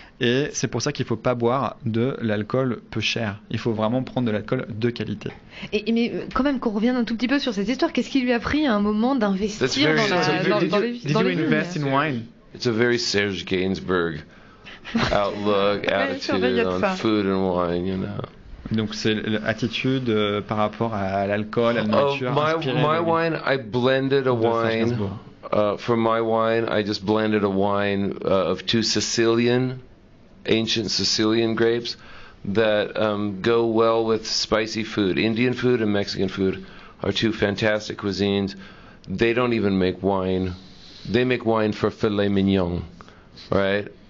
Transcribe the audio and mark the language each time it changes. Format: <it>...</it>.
<fr>Et c'est pour ça qu'il ne faut pas boire de l'alcool peu cher. Il faut vraiment prendre de l'alcool de qualité. Mais quand même, qu'on revienne un tout petit peu sur cette histoire, qu'est-ce qui lui a pris à un moment d'investir dans les vignes?</fr> <en>It's a very Serge Gainsbourg outlook, attitude on food and wine, you know.</en> <fr>Donc c'est l'attitude par rapport à l'alcool, à la nature.</fr> <en>My wine, I blended a wine. For my wine, I just blended a wine of two ancient Sicilian grapes that go well with spicy food. Indian food and Mexican food are two fantastic cuisines. They don't even make wine. They make wine for filet mignon, right?</en>